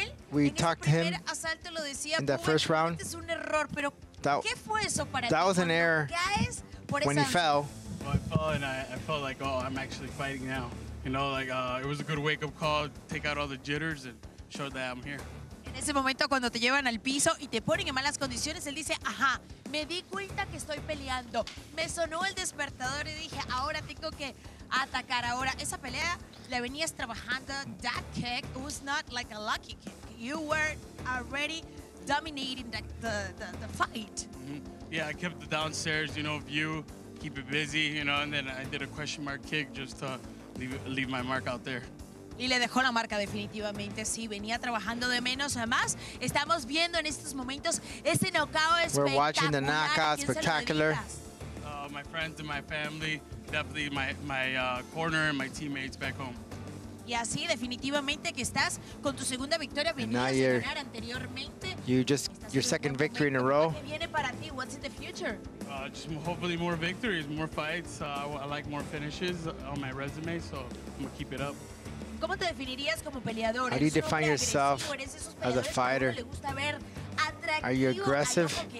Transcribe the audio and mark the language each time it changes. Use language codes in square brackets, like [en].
[en] We talked to him in that first round. That was an error when he fell. I fell and I felt like, oh, I'm actually fighting now. You know, like it was a good wake-up call, take out all the jitters and show that I'm here. [es] En ese momento cuando te llevan al piso y te ponen en malas condiciones, él dice, ajá, me di cuenta que estoy peleando. Me sonó el despertador y dije, ahora tengo que atacar ahora. Esa pelea la venías trabajando. [en] That kick was not like a lucky kick. You were already dominating the fight. Mm-hmm. Yeah, I kept the downstairs, you know, view. Keep it busy, you know, and then I did a question mark kick just to leave my mark out there. [es] Y le dejó la marca definitivamente. Sí, venía trabajando de menos a más. Estamos viendo en estos momentos este knockout. [en] We're watching the knockout, spectacular. My friends and my family, definitely my corner and my teammates back home. [es] Y así definitivamente que estás con tu segunda victoria. [en] And now your second victory in a row. [es] ¿Qué viene para ti? [en] What's in the future? Just hopefully more victories, more fights. I like more finishes on my resume, so I'm gonna keep it up. [es] ¿Cómo te definirías como peleador? [en] How do you define yourself as a fighter? Are you aggressive?